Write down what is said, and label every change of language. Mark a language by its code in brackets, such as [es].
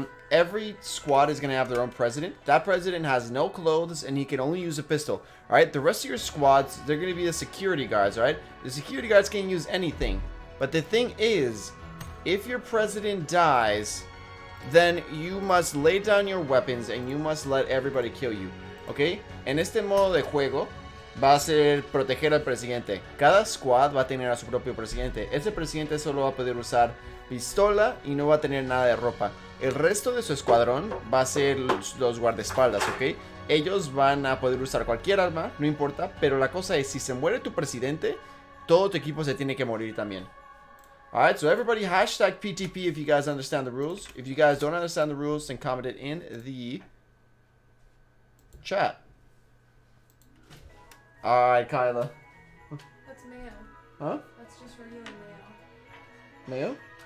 [en] every squad is going to have their own president. That president has no clothes and he can only use a pistol. All right, the rest of your squads, they're going to be the security guards, right? The security guards can use anything. But the thing is, if your president dies, then you must lay down your weapons and you must let everybody kill you. Okay? [es] En este modo de juego va a ser proteger al presidente. Cada squad va a tener a su propio presidente. Ese presidente solo va a poder usar pistola y no va a tener nada de ropa. El resto de su escuadrón va a ser los guardaespaldas, ¿ok? Ellos van a poder usar cualquier arma, no importa. Pero la cosa es, si se muere tu presidente, todo tu equipo se tiene que morir también. [en] Alright, so everybody hashtag PTP if you guys understand the rules. If you guys don't understand the rules, then comment it in the chat. Alright, Kyla. That's mayo. Huh? That's just regular mayo.